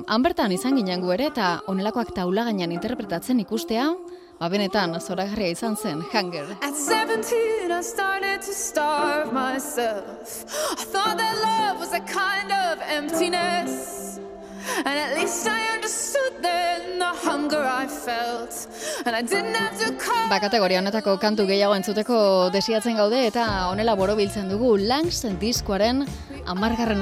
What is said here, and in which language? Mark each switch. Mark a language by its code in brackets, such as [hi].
[eu] Han bertan izan ginen gu ere eta onelakoak taula gainean interpretatzen ikustea, ba benetan zoragarria izan zen, Hunger. [en] At 17 I started to starve myself. I thought that love was a kind of emptiness. And at least I understood then the hunger I felt. And I didn't have to call. [eu] Ba kategoria honetako kantu gehiago entzuteko desiatzen gaude eta honela borobiltzen dugu Langs diskoaren 10.